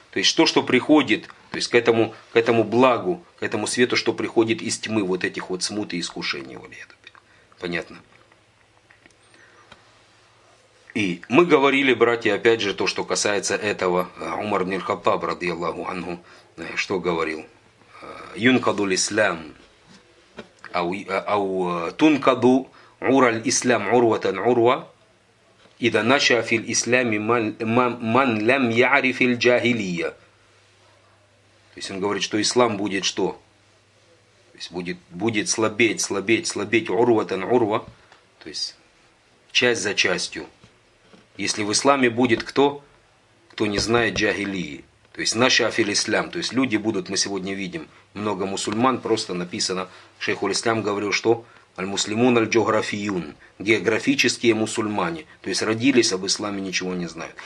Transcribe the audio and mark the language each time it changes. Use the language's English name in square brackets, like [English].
[Russian] То есть то, что приходит, то есть к этому благу, к этому свету, что приходит из тьмы, вот этих вот смут и искушений. Понятно? И мы говорили, братья, опять же, то, что касается этого, Умар ибн аль-Хаттаб, радиаллаху анху, что говорил? [Arabic] Юнкаду ль-Ислам. أو تنقض عرى الإسلام عروة عروة إذا نشأ في الإسلام من لم يعرف الجاهلية. [Russian] То есть он говорит, что ислам будет что? То есть будет слабеть, слабеть, слабеть, [Arabic] урва тан урва, [Russian] то есть часть за частью. Если в исламе будет кто? Кто не знает джахилии. То есть наши афиль ислам, то есть люди будут, мы сегодня видим, много мусульман, просто написано, шейх ул-ислам говорил, что [Arabic] аль-муслимун аль-джографиюн, [Russian] географические мусульмане, то есть родились, об исламе ничего не знают.